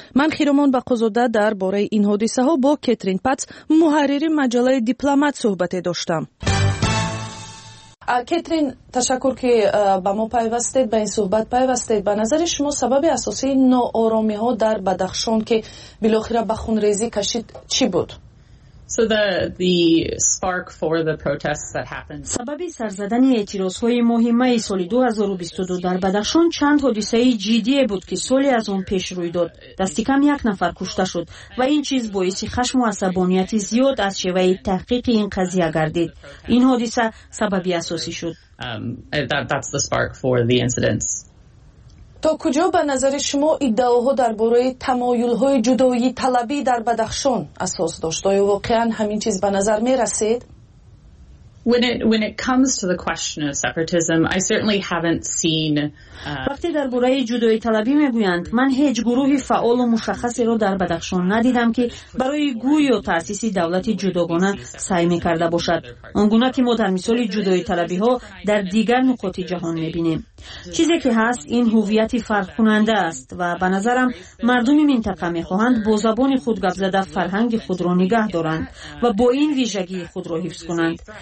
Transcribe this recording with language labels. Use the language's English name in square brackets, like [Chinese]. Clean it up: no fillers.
[Persian] من خیرمان بقازاده در باره این حادثه ها با کترین پتس، محرر مجله دیپلمات، صحبت داشتم. کترین تشکر که با ما پیوستید، با این صحبت پیوستید. به نظر شما سبب اساسی ناآرامی ها در بدخشان که بالاخره به خونریزی کشید چی بود؟ [English] So the spark for the protests that happened. [Tajik] Сабаби сарзадани эътирозҳои моҳи май соли 2022 дар Бадахшон чанд ҳодисаи ҷиддӣ буд ки соли аз он пеш рӯй дод. Дасти кам як нафар кушта шуд ва ин чиз боиси хашму асабонияти зиёд аз шеваи таҳқиқи ин қазия гардид. Ин ҳодиса сабаби асосӣ шуд. [English] That's the spark for the incidents. [Tajik] То куҷо ба назар шумо иддаоҳо дар бораи тамоюлҳои ҷудоии талабӣ дар Бадахшон асос дошт? Оё воқеан ҳамин чиз ба назар мерасед? [English] When it comes to the question of separatism, I certainly haven't seen [Persian] وقتی درباره جدایی طلبی میگویند من هیچ گروهی فعال و مشخصی در بدخشان ندیدم که برای گوی و تاسیس دولت جداگانه سعی میکرده باشد. آنگونه که ما در مثال جدایی طلبی ها در دیگر نقاط جهان میبینیم. چیزی که هست این هویت فرق کننده است و به نظرم مردم منطقه میخواهند با زبان خود گپ زده فرهنگ خود را نگه دارند و با این ویژگی خود را حفظ کنند.